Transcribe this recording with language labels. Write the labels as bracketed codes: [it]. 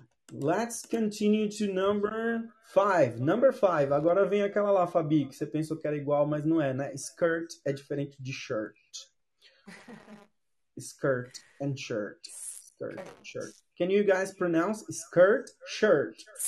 [en] Let's continue to number five. Number five. [pt] Agora vem aquela lá, Fabi, que você pensou que era igual, mas não é, né? Skirt é diferente de shirt. [en] Skirt and shirt. Skirt, shirt. Can you guys pronounce skirt, shirt?